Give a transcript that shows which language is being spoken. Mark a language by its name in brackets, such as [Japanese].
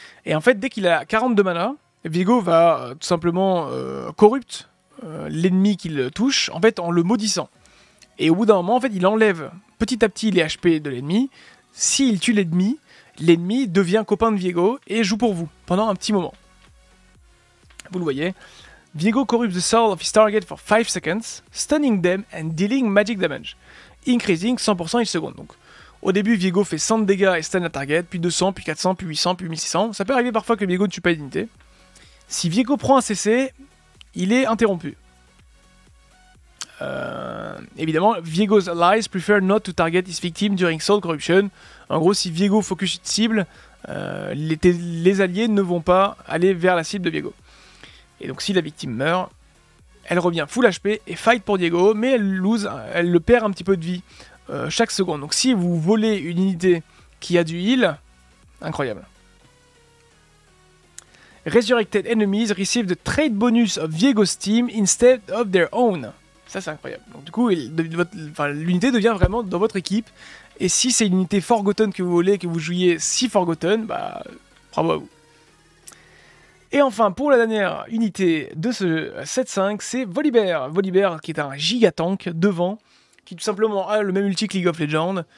[French] Et en fait, dès qu'il a 42 mana, Viego va tout simplement corrupte l'ennemi qu'il touche, en fait en le maudissant. Et au bout d'un moment, en fait, il enlève petit à petit les HP de l'ennemi. S'il tue l'ennemi, l'ennemi devient copain de Viego et joue pour vous pendant un petit moment. Vous le voyez, [English] Viego corrupts the soul of his target for 5 seconds, stunning them and dealing magic damage, increasing 100% each second. [French] Donc, au début, Viego fait 100 de dégâts et stun la target, puis 200, puis 400, puis 800, puis 1600. Ça peut arriver parfois que Viego ne tue pas une unité. Si Viego prend un CC, il est interrompu. Évidemment, [English] Viego's allies prefer not to target his victim during soul corruption. [French] En gros, si Viego focus une cible, les alliés ne vont pas aller vers la cible de Viego. Et donc si la victime meurt, elle revient full HP et fight pour Diego, mais elle le perd un petit peu de vie chaque seconde. Donc si vous volez une unité qui a du heal, Incroyable. [English] Resurrected enemies receive the trade bonus of Viego's team instead of their own. [French] Ça, c'est incroyable. Donc, du coup, l'unité devient vraiment dans votre équipe. Et si c'est une unité Forgotten que vous voulez, que vous jouiez si Forgotten, bah, bravo à vous. Et enfin, pour la dernière unité de ce 7-5, c'est Volibear. Volibear, qui est un gigatank devant, qui tout simplement a le même ulti que League of Legends.